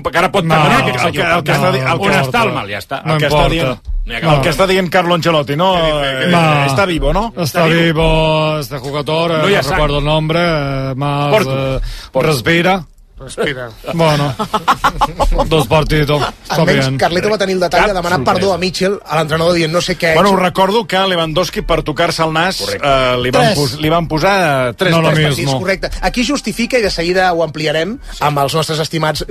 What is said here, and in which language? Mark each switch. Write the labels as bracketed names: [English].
[Catalan] Encara pot demanar aquest senyor. El que està al mal, ja està. No importa. El que està dient Carlo Ancelotti, no? [Spanish] Està vivo, no? Està vivo, este jugador, no recuerdo el nombre, más... Respira. Respira. Bueno, dos partidos. [Catalan] Almenys Carleto va tenir el detall de demanar perdó a Mitchell, a l'entrenador, dient no sé què. Bueno, recordo que Lewandowski, per tocar-se el nas, li van posar tres partits. No, correcte. Aquí justifica, i de seguida ho ampliarem, sí, amb els nostres estimats.